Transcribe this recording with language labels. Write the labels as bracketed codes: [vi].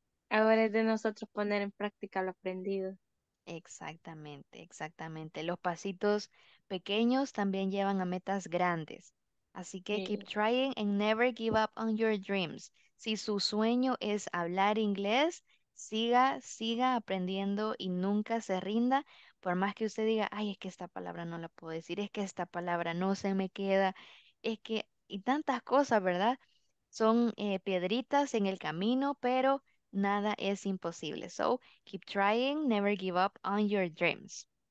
[es] es de nosotros poner en práctica lo aprendido. Exactamente, exactamente. Los pasitos pequeños también llevan a metas grandes. Así que [en] keep [es] Sí. [en] trying and never give up on your dreams. [es] Si su sueño es hablar inglés, siga, siga aprendiendo y nunca se rinda. Por más que usted diga, ay, es que esta palabra no la puedo decir, es que esta palabra no se me queda, es que, y tantas cosas, ¿verdad? Son piedritas en el camino, pero nada es imposible. [en] So, keep trying, never give up on your dreams.